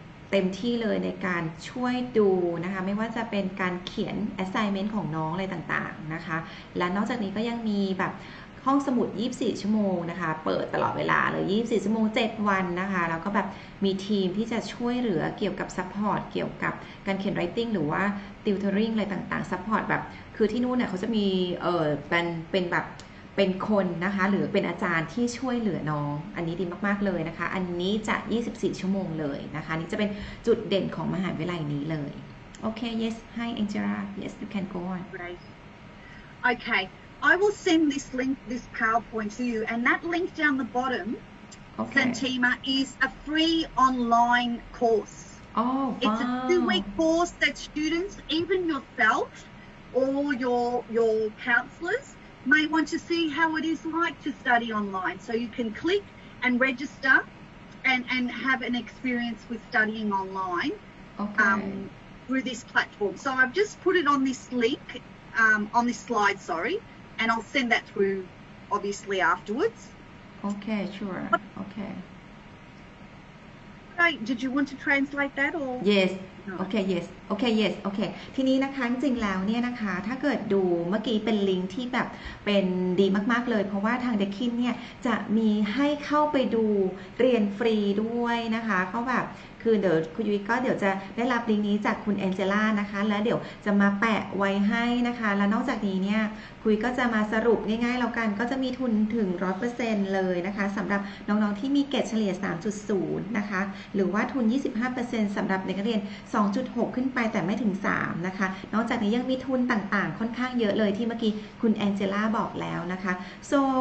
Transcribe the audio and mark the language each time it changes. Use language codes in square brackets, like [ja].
[th] เต็มที่เลยในการช่วยดูนะคะไม่ว่าจะเป็นการเขียน assignment ของน้องอะไรต่างๆนะคะและนอกจากนี้ก็ยังมีแบบห้องสมุด24ชั่วโมงนะคะเปิดตลอดเวลาเลย24ชั่วโมง7วันนะคะแล้วก็แบบมีทีมที่จะช่วยเหลือเกี่ยวกับ support เกี่ยวกับการเขียน writing หรือว่า tutoring อะไรต่างๆ support แบบคือที่นู่นเนี่ยเขาจะมี เป็นแบบเป็นคนนะคะหรือเป็นอาจารย์ที่ช่วยเหลือน้องอันนี้ดีมากๆเลยนะคะอันนี้จะ24ชั่วโมงเลยนะคะนี่จะเป็นจุดเด่นของมหาวิทยาลัยนี้เลยโอเค [en] yes hi Angela yes you can go on right okayI will send this link, this PowerPoint to you, and that link down the bottom, Santima, is a free online course. It's a 2-week course that students, even yourself or your counselors, may want to see how it is like to study online. So you can click and register and have an experience with studying online through this platform. So I've just put it on this link, on this slide, sorry. And I'll send that through, obviously, afterwards. Okay, sure. Okay. Right. Did you want to translate that or? Yes. Okay, yes. Okay, yes. Okay. [th] ทีนี้นะคะจริงๆแล้วเนี่ยนะคะถ้าเกิดดูเมื่อกี้เป็นลิงก์ที่แบบเป็นดีมากๆเลยเพราะว่าทางเด็กคินเนี่ยจะมีให้เข้าไปดู เรียนฟรีด้วยนะคะก็แบบคือเดี๋ยวคุณยุ้ยก็เดี๋ยวจะได้รับลิงก์นี้จากคุณแองเจล่านะคะแล้วเดี๋ยวจะมาแปะไว้ให้นะคะแล้วนอกจากนี้เนี่ยคุยก็จะมาสรุปง่ายๆแล้วกันก็จะมีทุนถึง 100% เลยนะคะสำหรับน้องๆที่มีเกรดเฉลี่ย 3.0 นะคะหรือว่าทุน 25% สำหรับนักเรียน 2.6 ขึ้นไปแต่ไม่ถึง 3 นะคะนอกจากนี้ยังมีทุนต่างๆค่อนข้างเยอะเลยที่เมื่อกี้คุณแองเจล่าบอกแล้วนะคะ so